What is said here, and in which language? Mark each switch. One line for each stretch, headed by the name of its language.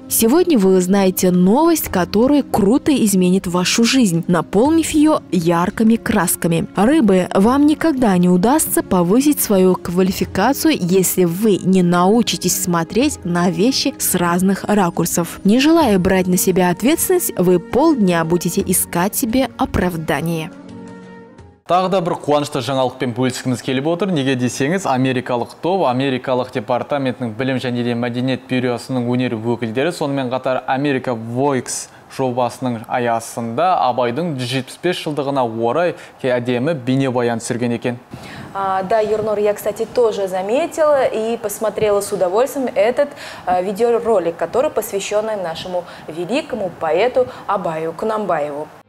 Russian: Сегодня вы узнаете новость, которая круто изменит вашу жизнь, наполнив ее яркими красками. Рыбы, вам никогда не удастся повысить свою квалификацию, если вы не научитесь смотреть на вещи с разных ракурсов. Не желая брать на себя ответственность, вы полдня будете искать себе оправдание.
Kazakh: Тағы да бір қуанышты жаңалықпен бөлісіңіз келіп отыр. Неге десеңіз, Америкалық топ, Америкалық департаментінің білім және де мәдениет бюросының өнер өкілдері, сонымен қатар Америка Voix жобасының аясында Абайдың 175 жылдығына орай әдемі бейнебаян түсірген екен.
Russian: Да, Юрнур, я, кстати, тоже заметила и посмотрела с удовольствием этот видеоролик, который посвящен нашему великому поэту Абаю Кунамбаеву.